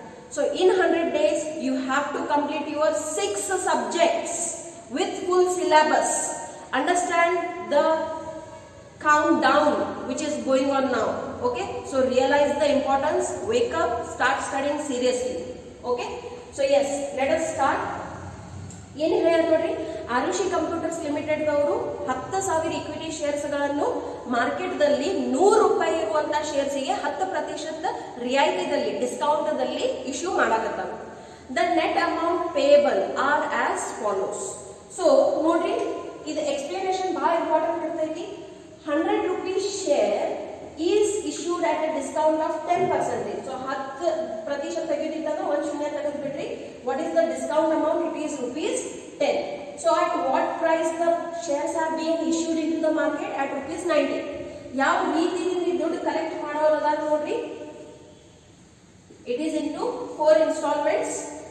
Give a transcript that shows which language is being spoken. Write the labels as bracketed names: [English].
[English] So in 100 days you have to complete your 6 subjects with full syllabus. Understand the countdown which is going on now. Okay, so realize the importance, wake up, start studying seriously. Okay, so yes, let us start. [Kannada] ಏನು ಹೇಳ್ತಾರೆ ನೋಡ್ರಿ, Arushi computers limited ಅವರು 10,000 equity shares ಗಳನ್ನು market ದಲ್ಲಿ 100 ರೂಪಾಯಿ ಇರುವಂತ shares ಗೆ 10% ರಿಯಾಯಿತಿ ದಲ್ಲಿ ಡಿಸ್ಕೌಂಟ್ ದಲ್ಲಿ issue ಮಾಡಕತ್ತ. [English] The net amount payable are as follows. [Kannada] So ನೋಡ್ರಿ, ಇದು ಎಕ್ಸ್ಪ್ಲನೇಷನ್ ಬಹಳ ಇಂಪಾರ್ಟೆಂಟ್ ಇರ್ತೈತಿ. [English] 100 rupees share is issued at a discount of 10%. [Kannada] So 10% ತೆಗೆದಿದ್ದಾಗ 1-0 ತೆಗೆದು ಬಿಡ್ರಿ. [English] What is the discount amount? It is rupees 10. So at what price the shares are being issued into the market? At rupees 90. [Kannada] Yav reethi nimge dudu collect madavallada nodri. [English] It is into 4 installments.